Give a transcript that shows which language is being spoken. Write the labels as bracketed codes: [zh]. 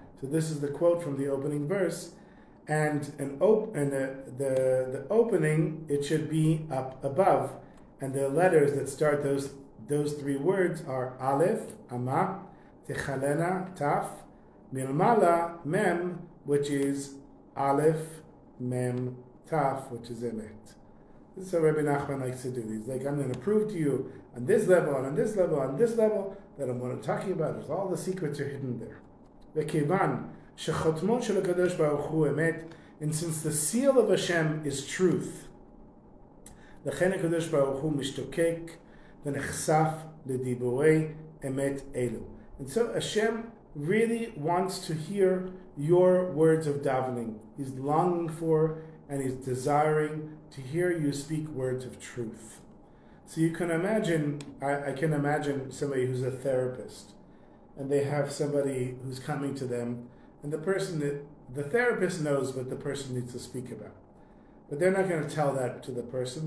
[en] So this is the quote from the opening verse, and the opening, it should be up above, and the letters that start those three words are aleph [he] ama techalena [en] taf milmala mem, which is aleph mem taf, which is emet. This is what Rebbe Nachman likes to do. He's like, I'm going to prove to you on this level and on this level and on this level that what I'm talking about is all the secrets are hidden there. [he] Vekivan שחותמו של הקדוש ברוך הוא אמת, [en] and since the seal of Hashem is truth, [he] לכן הקדוש ברוך הוא משתוקק ונחשף לדיבורי אמת אלו. [en] And so Hashem really wants to hear your words of davening. He's longing for and he's desiring to hear you speak words of truth. So you can imagine, I can imagine somebody who's a therapist, and they have somebody who's coming to them, and the person that the therapist knows what the person needs to speak about, but they're not going to tell that to the person.